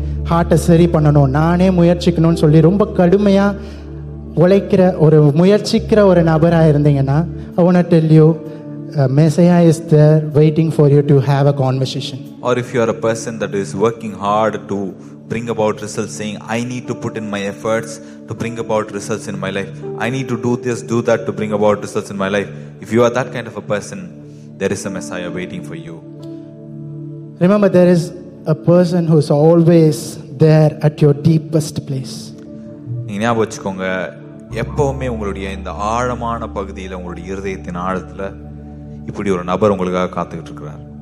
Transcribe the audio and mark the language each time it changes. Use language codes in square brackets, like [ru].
[ta] ஹார்ட்டை சரி பண்ணணும், நானே முயற்சிக்கணும்னு சொல்லி ரொம்ப கடுமையாக உழைக்கிற ஒரு முயற்சிக்கிற ஒரு நபராக இருந்தீங்கன்னா, [en] I want to tell you, Messiah is there waiting for you to have a conversation. Or if you are a person that is working hard to bring about results, saying, I need to put in my efforts to bring about results in my life. I need to do this, do that to bring about results in my life. If you are that kind of a person, there is a Messiah waiting for you. Remember, there is a person who is always there at your deepest place. [ta] நீங்க ஞாபகம் வச்சுக்கோங்க, எப்பவுமே உங்களுடைய இந்த ஆழமான பகுதியில், உங்களுடைய இருதயத்தின் ஆழத்துல இப்படி ஒரு நபர் உங்களுக்காக காத்துக்கிட்டு இருக்கிறார்.